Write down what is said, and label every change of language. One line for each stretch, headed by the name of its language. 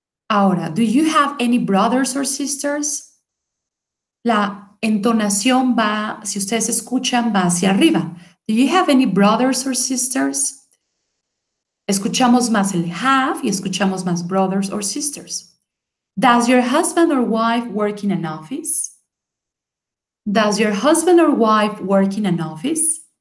English: Ahora, do you have any brothers or sisters?
Spanish: La entonación va, si ustedes escuchan, va hacia arriba.
English: Do you have any brothers or sisters?
Spanish: Escuchamos más el
English: have
Spanish: y escuchamos más
English: brothers or sisters. Does your husband or wife work in an office? Does your husband or wife work in an office?